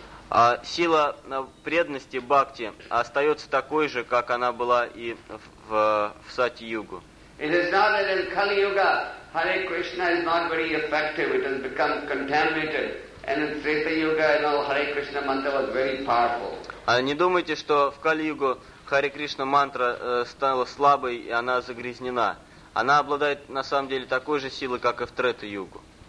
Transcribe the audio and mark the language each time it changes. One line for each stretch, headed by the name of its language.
Russian: А сила преданности бхакти остается такой же, как она была и в Сати-югу.
English: It is not that in Kali Yuga Hare Krishna is not very effective, it has become contaminated. And in Treta Yuga and all Hare Krishna mantra was very powerful.
Russian: Не думайте, что в Кали-югу Харе Кришна мантра стала слабой и она загрязнена. Она обладает на самом деле такой же силой, как и в Трета Югу.